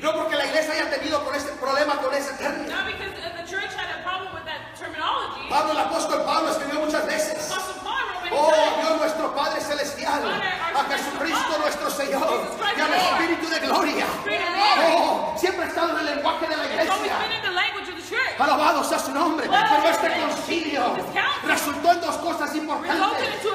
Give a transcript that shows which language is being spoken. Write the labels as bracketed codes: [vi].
[es] No porque la iglesia haya tenido con ese problema con ese término. [en] Not because the church had a problem with that terminology. [es] Pablo, el apóstol Pablo, escribió muchas veces. Oh Dios nuestro Padre Celestial, a Jesucristo nuestro Señor y al Espíritu de Gloria. Oh, siempre ha estado en el lenguaje de la iglesia. Alabado sea su nombre. Pero este concilio resultó en dos cosas importantes.